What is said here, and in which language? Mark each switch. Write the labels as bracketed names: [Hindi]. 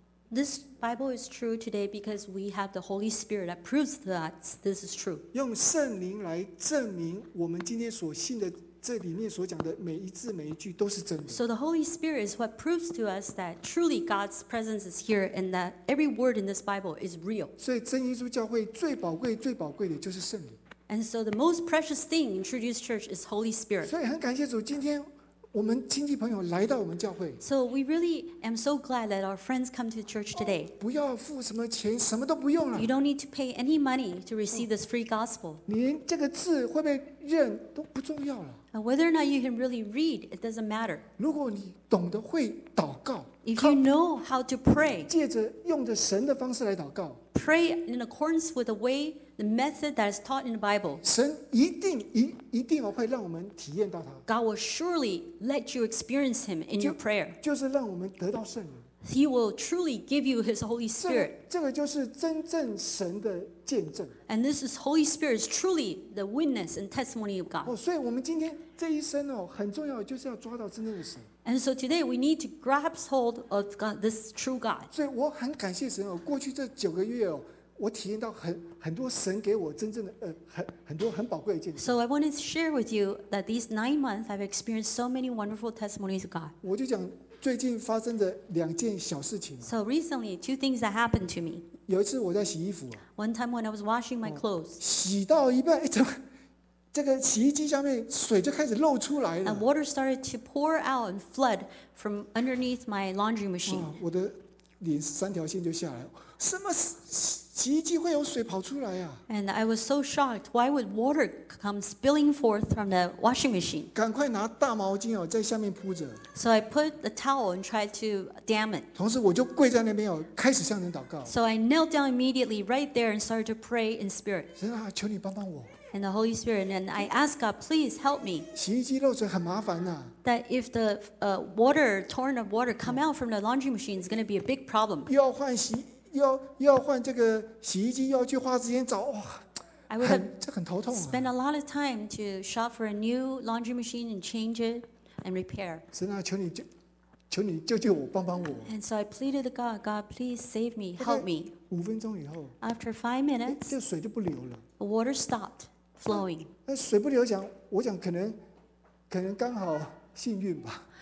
[English] This Bible is true today because we have the Holy Spirit that proves that this is true. [Chinese] 用圣灵来证明我们今天所信的。这里面所讲的每一字每一句都是真的。 [English] So the Holy Spirit is what proves to us that truly God's presence is here and that every word in this Bible is real. [Chinese] 所以真耶稣教会最宝贵的就是圣灵。 [English] And so the most precious thing in True Jesus Church is Holy Spirit. [Chinese] 所以很感谢主，今天我们亲戚朋友来到我们教会。 [English] So we really am so glad that our friends come to church today.、 [Chinese] 哦、不要付什么钱，什么都不用了。 [English] You don't need to pay any money to receive this free gospel.、哦、 [Chinese] 你连这个字会不会认都不重要了。 [English] Whether or not you can really read, it doesn't matter. [Chinese] 如果你懂得会祷告 [English] If you know how to pray, [Chinese] 借着用着神的方式来祷告 [English] Pray in accordance with the way, the method that is taught in the Bible. [Chinese] 神一定会让我们体验到他 [English] God will surely let you experience him in your prayer. [Chinese] 就是让我们得到圣灵 [English] He will truly give you his Holy Spirit. [Chinese] 这个就是真正神的见证 [English] And this is Holy Spirit is truly the witness and testimony of God. [Chinese] 所以我们今天这一生哦，很重要，就是要抓到真正的神。 [English] And so today we need to grasp hold of God, this true God. [Chinese] 所以我很感谢神哦，过去这九个月哦，我体验到很多神给我真正的很多很宝贵的见证。 [English] So I wanted to share with you that these 9 months I've experienced so many wonderful testimonies of God. [Chinese] 我就讲最近发生的两件小事情。 [English] So recently, two things that happened to me. [Chinese] 有一次我在洗衣服。 [English] One time when I was washing my clothes. [Chinese] 洗到一半，怎么？这个洗衣机下面水就开始漏出来了。 [English] And water started to pour out and flood from underneath my laundry machine.、 [Chinese] 哦、我的脸三条线就下来，什么洗洗衣机会有水跑出来啊。 [English] And I was so shocked. Why would water come spilling forth from the washing machine? [Chinese] 赶快拿大毛巾哦，在下面铺着。 [English] So I put the towel and tried to damp it. [Chinese] 同时我就跪在那边哦，开始向神祷告。 [English] So I knelt down immediately right there and started to pray in spirit. [Chinese] 神啊，求你帮帮我。 [English] And the Holy Spirit, and I asked God, please help me. [Chinese] 洗衣机漏水很麻烦啊。 [English] That if the water, torrent of water come out from the laundry machine, it's going to be a big problem. [Chinese] 要换洗要换这个洗衣机，要去花时间找，哇，很头痛啊。 [English] Spend a lot of time to shop for a new laundry machine and change it and repair. [Chinese] 神啊，求你救救我，帮帮我。 [English] And so I pleaded to God, God, please save me, help me. [Chinese] 五分钟以后 [English] ，After 5 minutes, [Chinese] 这水就不流了。 [English] The water stopped flowing. [Chinese] 那水不流，我想可能刚好幸运吧。